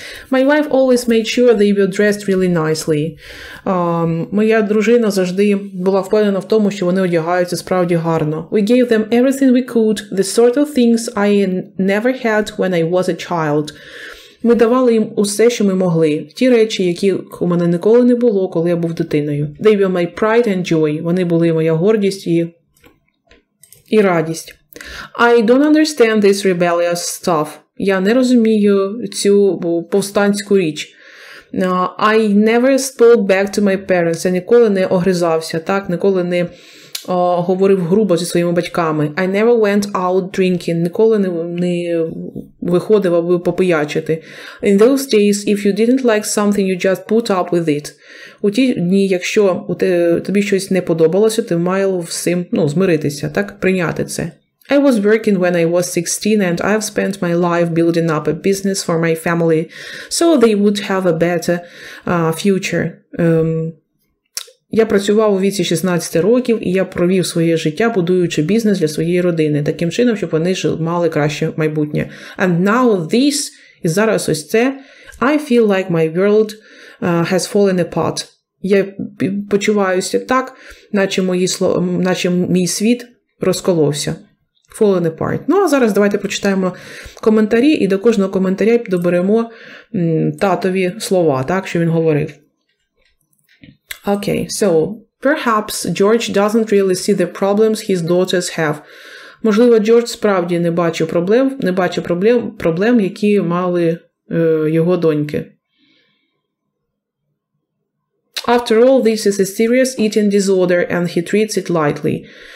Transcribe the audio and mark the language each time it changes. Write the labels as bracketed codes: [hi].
[en] My wife always made sure they were dressed really nicely. [uk] Моя дружина завжди була впевнена в тому, що вони одягаються справді гарно. [en] We gave them everything we could, the sort of things I never had when I was a child. [uk] Ми давали їм усе, що ми могли. Ті речі, яких у мене ніколи не було, коли я був дитиною. [en] They were my pride and joy. [uk] Вони були моя гордість і радість. [en] I don't understand this rebellious stuff. [uk] Я не розумію цю повстанську річ. [en] I never spoke back to my parents. [uk] Я ніколи не огризався, так? Ніколи не говорив грубо зі своїми батьками. [en] I never went out drinking. [uk] Ніколи не виходив, аби попиячити. [en] In those days, if you didn't like something, you just put up with it. [uk] У ті дні, якщо тобі щось не подобалося, ти мав з цим, ну, змиритися, так? Прийняти це. [en] I was working when I was 16 and I've spent my life building up a business for my family so they would have a better future. [uk] Я працював у віці 16 років, і я провів своє життя, будуючи бізнес для своєї родини, таким чином, щоб вони мали краще майбутнє. [en] And now this, [uk] і зараз ось це, [en] I feel like my world has fallen apart. [uk] Я почуваюся так, наче мій світ розколовся. [en] Fallen apart. [uk] Ну, а зараз давайте прочитаємо коментарі, і до кожного коментаря доберемо татові слова, так, що він говорив. [en] Okay, so, perhaps George doesn't really see the problems his daughters have. [uk] Можливо, Джордж справді не бачив проблем, які мали його доньки. [en] After all, this is a serious eating disorder, and he treats it lightly.